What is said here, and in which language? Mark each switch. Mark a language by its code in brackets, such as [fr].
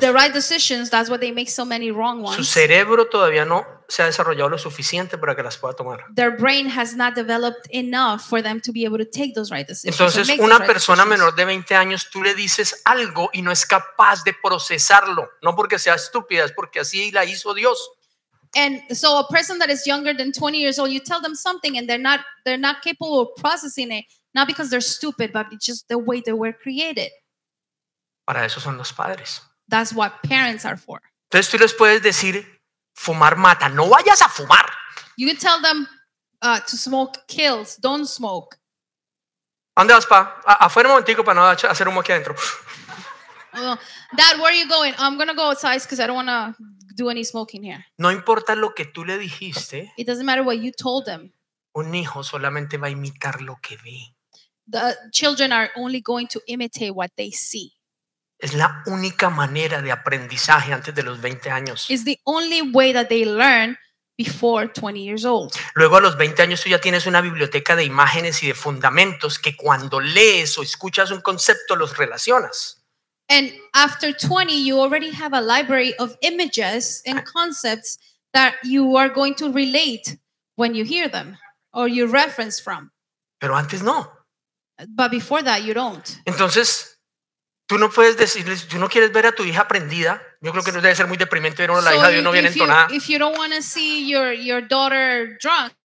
[en] The right decisions, that's why they make so many wrong ones. [es] Su cerebro todavía no se ha desarrollado lo suficiente para que las pueda tomar. [en] Their brain has not developed enough for them to be able to take those right decisions. [es] Entonces, una persona menor de 20 años, tú le dices algo y no es capaz de procesarlo. No porque sea estúpida, es porque así la hizo Dios. [en] And so a person that is younger than 20 years old, you tell them something and they're not capable of processing it, not because they're stupid, but it's just the way they were created. [es] Para eso son los padres. [en] That's what parents are for. [es] Entonces tú les puedes decir, fumar mata, no vayas a fumar. [en] You can tell them to smoke kills, don't smoke. [es] ¿Dónde vas, pa? Afuera un momentico para no hacer humo aquí adentro. [en] Dad, where are you going? I'm going to go outside because I don't want to do any smoking here. [es] No importa lo que tú le dijiste. [en] It doesn't matter what you told them. [es] Un hijo solamente va a imitar lo que ve. [en] The children are only going to imitate what they see. [es] Es la única manera de aprendizaje antes de los 20 años. [en] It's the only way that they learn before 20 years old. [es] Luego a los 20 años tú ya tienes una biblioteca de imágenes y de fundamentos que cuando lees o escuchas un concepto los relacionas. [en] And after 20 you already have a library of images and concepts that you are going to relate when you hear them or you reference from. [es] Pero antes no. [en] But before that you don't. [es] Entonces tú no puedes decirles, tú no quieres ver a tu hija prendida. Yo creo que no debe ser muy deprimente ver a la hija de uno bien entonada. [en] If you don't want to see your daughter drunk